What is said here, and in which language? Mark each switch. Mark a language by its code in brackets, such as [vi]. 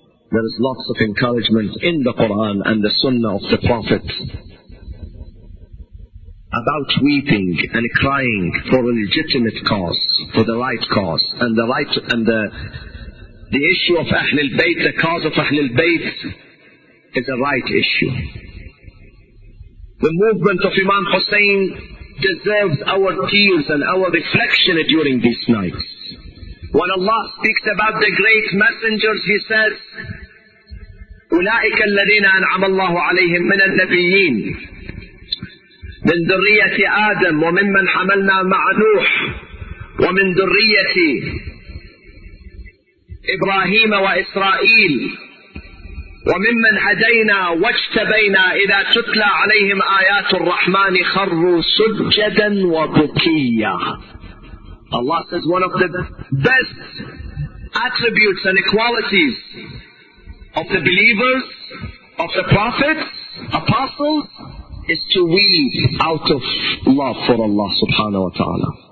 [en] There is lots of encouragement in the Qur'an and the Sunnah of the Prophet about weeping and crying for a legitimate cause, for the right cause, and the right and the issue of Ahlul Bayt, the cause of Ahlul Bayt is a right issue. The movement of Imam Hussein deserves our tears and our reflection during these nights. When Allah speaks about the great messengers, He says, [ar] أُولَٰئِكَ الَّذِينَ أَنْعَمَ اللَّهُ عَلَيْهِمْ مِنَ النَّبِيِّينَ مِنْ ذُرِّيَّةِ آدَمَ وَمِمَّنْ حَمَلْنَا مَعَ نُوحٍ وَمِنْ ذُرِّيَّةِ إِبْرَاهِيمَ وَإِسْرَائِيلَ وَمِمَّنْ هَدَيْنَا وَاجْتَبَيْنَا إِذَا تُتْلَى عَلَيْهِمْ آيَاتُ الرَّحْمَنِ خَرُّوا سُجَّدًا وَبُكِيًّا. [en] Allah says one of the best attributes and qualities of the believers, of the prophets, apostles, is to weep out of love for Allah subhanahu wa ta'ala.